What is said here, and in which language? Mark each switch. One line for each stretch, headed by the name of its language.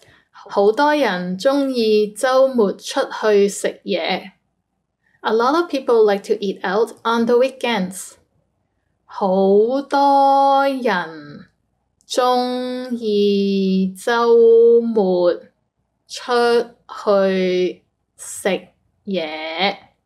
Cantonese: 好多人中意周末出去食嘢。
English: A lot of people like to eat out on the weekends.
Cantonese: 好多人中意周末出去食嘢。